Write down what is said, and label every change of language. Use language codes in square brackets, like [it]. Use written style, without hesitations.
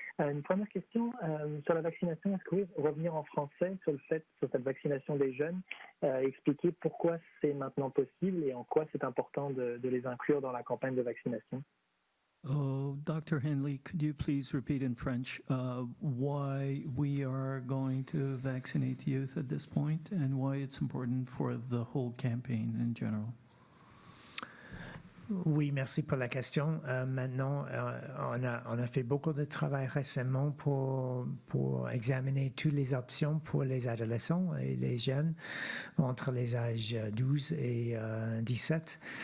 [fr] Une première question sur la vaccination, est-ce que vous pouvez revenir en français sur le fait, sur cette vaccination des jeunes, expliquer pourquoi c'est maintenant possible et en quoi c'est important de les inclure dans la campagne de vaccination? [en] Oh, Dr. Hanley, could you please repeat in French why we are going to vaccinate youth at this point and why it's important for the whole campaign in general? [fr] Oui, merci pour la question. Maintenant, on a fait beaucoup de travail récemment pour examiner toutes les options pour les adolescents et les jeunes entre les âges 12 et 17.